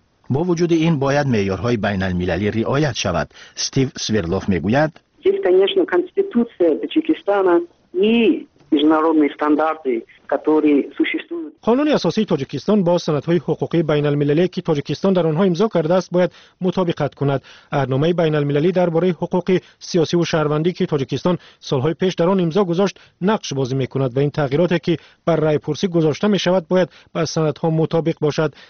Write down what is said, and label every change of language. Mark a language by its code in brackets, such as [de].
[fa] با وجود این باید معیارهای بین المللی رعایت شود. استیو سویردلوف می گوید [ru] здесь, конечно, конституция Таджикистана и международные стандарты, которые существуют. [fa] قانون اساسی تاجیکستان با سندهای حقوقی بین المللی که تاجیکستان در آنها امضا کرده است باید مطابقت کند. اهدنامه بین المللی درباره حقوق سیاسی و شهروندی که تاجیکستان سالهای پیش در آن امضا گذاشت نقش بازی می کند و این تغییراتی که بر رای پرسی گذاشته می شود باید با سندها مطابق باشد.